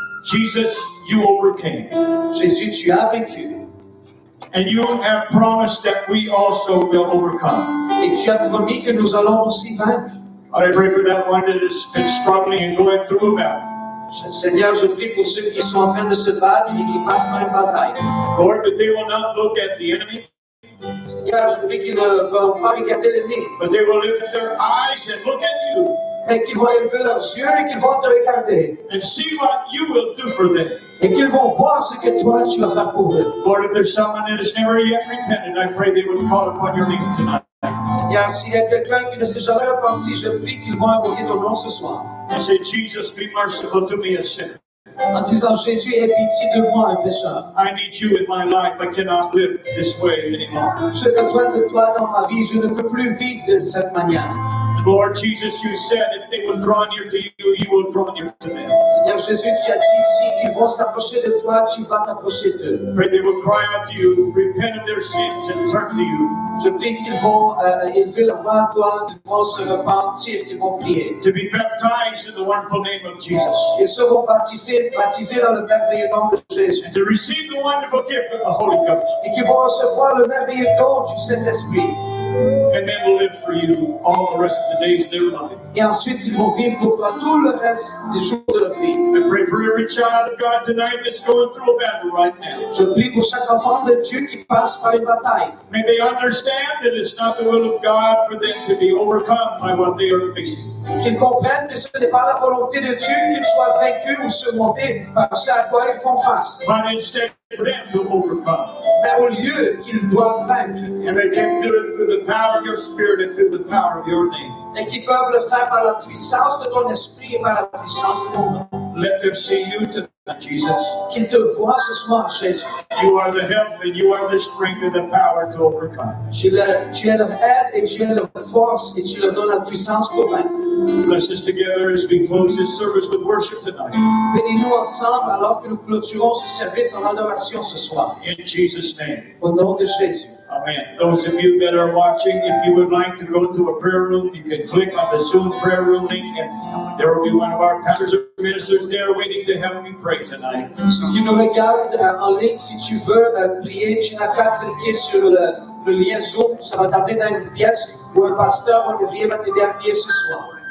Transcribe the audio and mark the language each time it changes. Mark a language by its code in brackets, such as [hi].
[en] Jesus, you overcame. [fr] Jésus, tu as vaincu. [en] And you have promised that we also will overcome. [fr] Et tu as promis que nous allons aussi vaincre. [en] I pray for that one that has been struggling and going through a battle. [fr] Seigneur, je prie pour ceux qui sont en train de se battre et qui passent par une bataille. [en] Lord, that they will not look at the enemy. [fr] Seigneur, je prie qu'ils ne vont pas regarder l'ennemi. [en] But they will lift their eyes and look at you. [fr] Mais qu'ils vont élever leurs yeux et qu'ils vont te regarder. [en] And see what you will do for them. [fr] Et qu'ils vont voir ce que toi tu vas faire pour eux. [en] Lord, if there's someone that has never yet repented, I pray they would call upon your name tonight. [fr] Seigneur, s'il y a quelqu'un qui ne s'est jamais repenti, je prie qu'ils vont invoquer ton nom ce soir. [en] And say, Jesus, be merciful to me, a sinner. [fr] En disant, Jésus, aie pitié de moi, un pécheur. [en] I need you in my life. I cannot live this way anymore. [fr] J'ai besoin de toi dans ma vie. Je ne peux plus vivre de cette manière. [en] Lord Jesus, you said if they will draw near to you, you will draw near to them. [fr] Seigneur Jésus, tu as dit si ils vont s'approcher de toi, tu vas t'approcher d'eux. [en] Pray they will cry out to you, repent of their sins and turn to you. [fr] Je prie qu'ils vont élever leur voix à toi, ils vont se repentir, ils vont prier. [en] To be baptized in the wonderful name of Jesus. [fr] Ils seront baptisés dans le merveilleux nom de Jésus. [en] To receive the wonderful gift of the Holy Ghost. [fr] Et qu'ils vont recevoir le merveilleux don du Saint-Esprit. [en] And then live for you all the rest of the days of their life. [fr] Et ensuite, ils vont vivre pour toi tout le reste des jours de leur vie. [en] I pray for every child of God tonight that's going through a battle right now. [fr] Je prie pour chaque enfant de Dieu qui passe par une bataille. [en] May they understand that it's not the will of God for them to be overcome by what they are facing. [fr] qu'ils comprennent que ce n'est pas la volonté de Dieu qu'ils soient vaincus ou surmontés par ce à quoi ils font face. [en] But instead for them to overcome. [fr] Mais au lieu qu'ils doivent vaincre. [en] And they can do it through the power of your spirit and through the power of your name. [fr] Et qu'ils peuvent le faire par la puissance de ton esprit et par la puissance de ton nom. [en] Let them see you tonight, Jesus. [fr] Qu'ils te voient ce soir, Jésus. [en] You are the help and you are the strength and the power to overcome. [fr] Tu es l'aide et tu es la force et tu leur donnes la puissance pour vaincre. [en] Bless us together as we close this service with worship tonight. [fr] Bénis-nous ensemble alors que nous clôturons ce service en adoration ce soir. [en] In Jesus' name. [fr] Au nom de Jésus. [en] Amen. Those of you that are watching, if you would like to go to a prayer room, you can click on the Zoom prayer room link, and there will be one of our pastors or ministers there waiting to help you pray tonight. [fr] Si tu nous regardes en ligne, si tu veux prier, tu n'as qu'à cliquer sur le lien Zoom. Ça va t'amener dans une pièce où un pasteur ou un ouvrier va t'aider à prier ce soir.